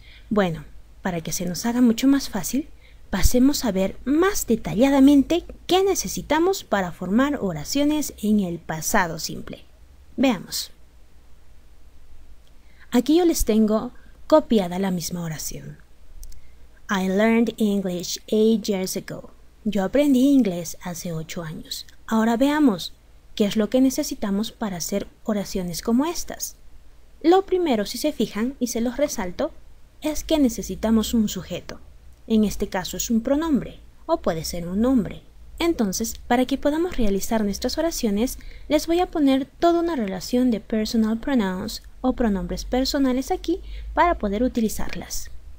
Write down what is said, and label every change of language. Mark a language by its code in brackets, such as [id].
[es] Bueno, para que se nos haga mucho más fácil, pasemos a ver más detalladamente qué necesitamos para formar oraciones en el pasado simple. Veamos. Aquí yo les tengo copiada la misma oración. [en] I learned English 8 years ago. [es] Yo aprendí inglés hace 8 años. Ahora veamos qué es lo que necesitamos para hacer oraciones como estas. Lo primero, si se fijan, y se los resalto, es que necesitamos un sujeto. En este caso es un pronombre, o puede ser un nombre. Entonces, para que podamos realizar nuestras oraciones, les voy a poner toda una relación de [en] personal pronouns [es] o pronombres personales aquí para poder utilizarlas.